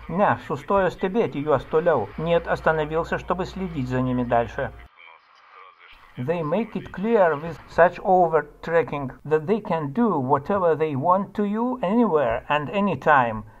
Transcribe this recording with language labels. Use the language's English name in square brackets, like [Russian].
[Lithuanian] Ne, sustojo stebėti juos toliau. [Russian] Нет, остановился, чтобы следить за ними дальше. [English] They make it clear with such over-tracking that they can do whatever they want to you anywhere and anytime.